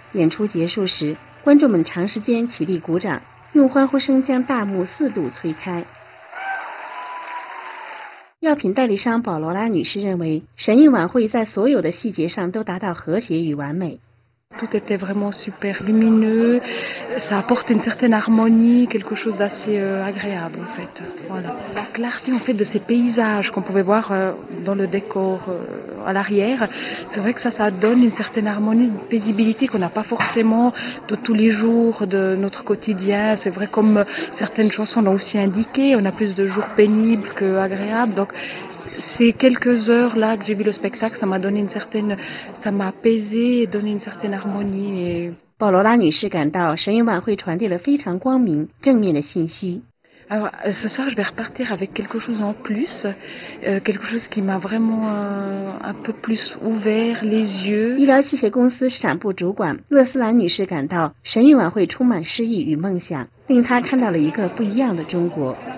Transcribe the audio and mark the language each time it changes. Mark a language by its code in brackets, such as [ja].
[zh] 演出结束时，观众们长时间起立鼓掌，用欢呼声将大幕四度催开。药品代理商保罗拉女士认为，神韵晚会在所有的细节上都达到和谐与完美。 [fr] Tout était vraiment super lumineux. Ça apporte une certaine harmonie, quelque chose d'assez agréable en fait. Voilà. La clarté en fait de ces paysages qu'on pouvait voir dans le décor à l'arrière, c'est vrai que ça donne une certaine harmonie, une paisibilité qu'on n'a pas forcément de tous les jours de notre quotidien. C'est vrai comme certaines chansons l'ont aussi indiqué, on a plus de jours pénibles qu'agréables. Donc,ces quelques heures là que j'ai vu le spectacle, ça m'a apaisé et donné une certaine harmonie. [zh] 保罗拉女士感到神韵晚会传递了非常光明正面的信息。 [fr] Alors, ce soir, je vais repartir avec quelque chose en plus, quelque chose qui m'a vraiment un peu plus ouvert les yeux. [zh] 医疗器械公司市场部主管勒斯兰女士感到神韵晚会充满诗意与梦想，令她看到了一个不一样的中国。